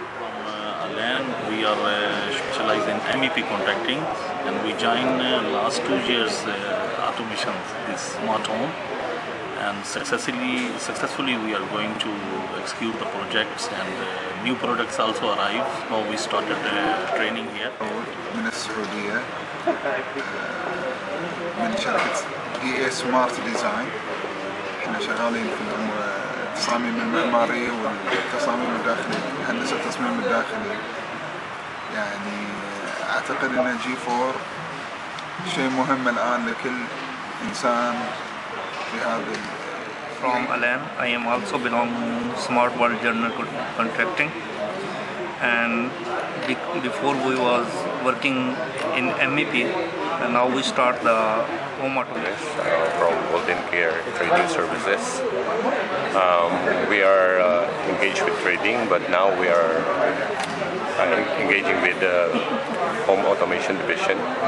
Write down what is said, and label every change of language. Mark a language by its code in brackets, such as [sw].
[en] From Alain, we are specialized in MEP contracting, and we joined last 2 years automation, this smart home, and successfully we are going to execute the projects, and new products also arrive. Now we started training here. [ar] Minister Odia, من شركة دي اي سمارت ديزاين. احنا شغالين في الامور التصاميم المعمارية والتصاميم الداخلية، هندسة التصميم الداخلي. يعني اعتقد ان جي 4 شيء مهم الان لكل انسان في هذا. [en] From Alain, I am also belong to Smart World Journal Contracting, and before we was working in MEP, and now we start the home automation. Yes, from Golden Care Trading Services. We are engaged with trading, but now we are engaging with the home automation division.